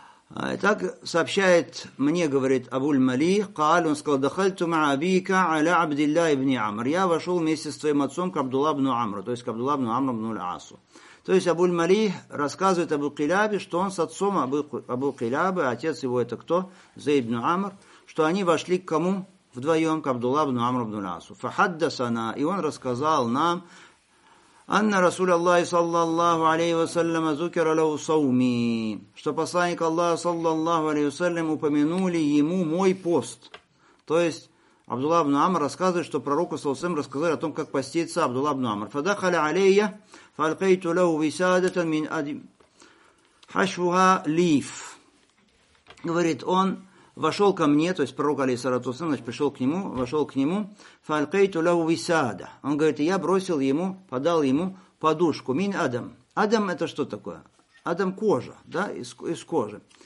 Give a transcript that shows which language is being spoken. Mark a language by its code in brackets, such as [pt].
[ru] Итак, сообщает мне, говорит Абуль-Малих, он сказал, [ar] «Дахальту ма'абика аля Абдиллахи бни Амр». [ru] Я вошел вместе с твоим отцом к Абдулла бну Амру, то есть к Абдулла бну Амру бну Л'Асу. То есть Абуль-Малих рассказывает Абу-Килябе, что он с отцом Абу-Килябе, отец его это кто? Зейд бну Амр, что они вошли к кому? Вдвоем к Абдулла бну Амру бну Л'Асу. [ar] «Фахаддасана», [ru] и он рассказал нам, [ar] أن رسول الله صلى الله عليه وسلم ذكر له صومي. [ru] Что посланник Аллаха [ar] صلى الله عليه وسلم [ru] упомянули ему мой пост. То есть Абдулла ибн Амр рассказывает, что пророку [ar] صلى الله عليه وسلم [ru] рассказали о том, как поститься Абдулла ибн Амр. [ar] فدخل علي فألقيت له وسادة من أدم حشوها ليف. [ru] Говорит он, вошел ко мне, то есть пророк алейхиссалату вассалям, значит, пришел к нему, вошел к нему, [ar] фалькейту лаву висада. [ru] Он говорит, я бросил ему, подал ему подушку. [ar] Мин адам. [ru] Адам это что такое? Адам кожа, да, из кожи.